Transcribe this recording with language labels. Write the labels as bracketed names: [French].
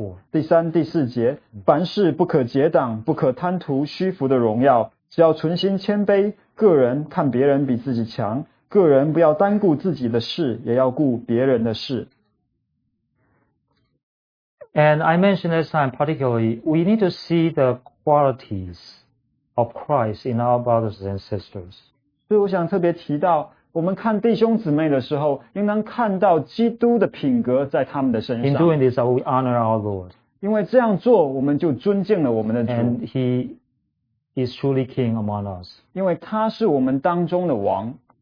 [Chinese] 第三、第四节，凡事不可结党，不可贪图虚浮的荣耀，只要存心谦卑，个人看别人比自己强，个人不要单顾自己的事，也要顾别人的事。 [English] And I mentioned this time particularly, we need to see the qualities of Christ in our brothers and sisters. [Chinese] 所以我想特别提到我们看弟兄姊妹的时候，应当看到基督的品格在他们的身上。 [English] In doing this, we honor our Lord. [Chinese] 因为这样做，我们就尊敬了我们的主。 [English] And He is truly King among us. [Chinese] 因为他是我们当中的王。